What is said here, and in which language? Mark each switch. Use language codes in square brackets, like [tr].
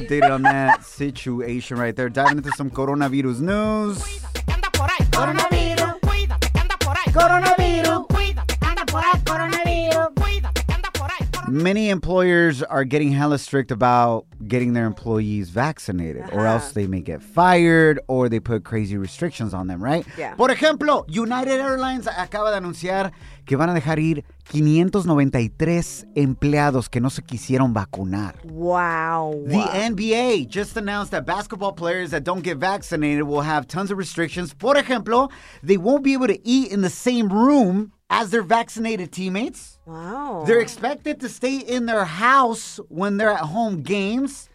[en] keep you updated on that situation right there. Diving into some coronavirus news. Many employers are getting hella strict about getting their employees vaccinated, or else they may get fired, or they put crazy restrictions on them, right? Yeah. [es] Por ejemplo, United Airlines acaba de anunciar que van a dejar ir 593 empleados que no se quisieron vacunar. [en] Wow. The NBA just announced that basketball players that don't get vaccinated will have tons of restrictions. [es] Por ejemplo, [en] they won't be able to eat in the same room as their vaccinated teammates. Wow. They're expected to stay in their house when they're at home games.